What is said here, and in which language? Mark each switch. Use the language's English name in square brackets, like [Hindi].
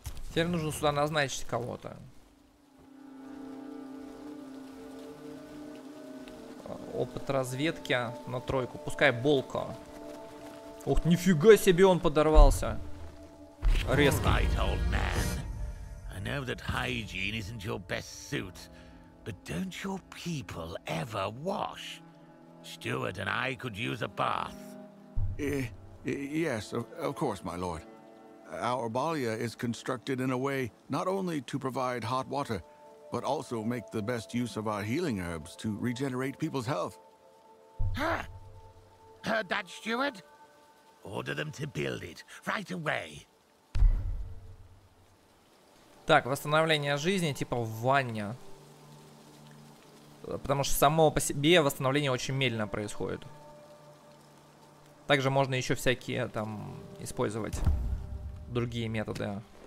[Russian] Теперь нужно сюда назначить кого-то. Опыт разведки на тройку. Пускай Болко. Ух, нифига себе он подорвался. Резко. [English] Right, old man. I know that hygiene isn't your best suit, but don't your people ever wash? Stuart and I could use a bath. Yes, of course, my lord. Our balia is constructed in a way not only to provide hot water, but also make the best use of our healing herbs to regenerate people's health. Huh? Heard that, Stuart? Order them to build it right away. [Russian] Так, восстановление жизни типа ванья. Потому что само по себе восстановление очень медленно происходит. Также можно еще всякие там использовать другие методы.